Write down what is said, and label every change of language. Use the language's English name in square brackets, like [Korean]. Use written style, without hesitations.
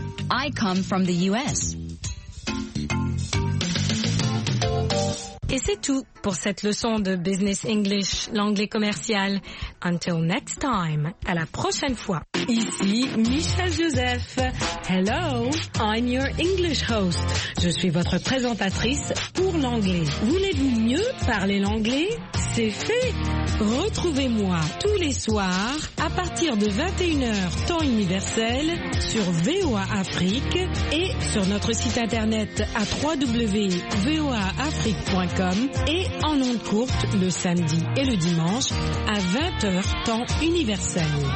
[English] I come from the U.S. [French] Et c'est tout pour cette leçon de Business English, l'anglais commercial. [English] Until next time, [French] à la prochaine fois. Ici Michel Joseph. [English] Hello, I'm your English host. [French] Je suis votre présentatrice pour l'anglais. Voulez-vous mieux parler l'anglais? C'est fait. Retrouvez-moi tous les soirs à partir de 21h temps universel sur VOA Afrique et sur notre site internet à www.voaafrique.com et en ondes courtes le samedi et le dimanche à 20h temps universel.